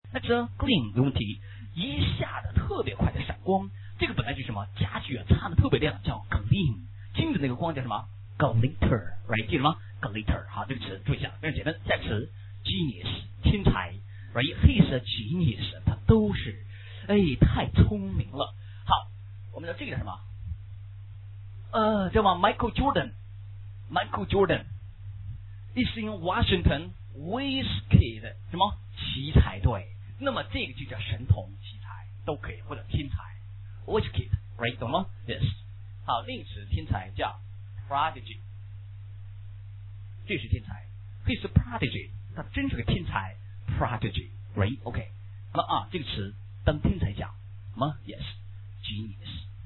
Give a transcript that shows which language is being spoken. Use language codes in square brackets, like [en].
[zh] 那这 gleam 没问题，一下的特别快的闪光，这个本来就是什么家具啊，擦的特别亮，叫 gleam， 金子那个光叫什么 glitter， right， 记得吗？ glitter， 好，这个词注意一下，非常简单。再词 genius， 天才， right， [en] he is a genius， [zh] 他都是，哎，太聪明了。好，我们叫这个叫什么？叫什么 ？ [en] Michael Jordan， Michael Jordan， is in Washington Wizkid [zh] 什么奇才队？那么这个就叫神童、奇才都可以，或者天才 Wizkid， right， 懂吗 ？Yes， 好，另一词天才叫 prodigy， 这是天才 ， [en] he's a prodigy， [zh] 他真是个天才 ，prodigy， right， OK， 那么啊，这个词当天才讲吗 ？Yes， genius。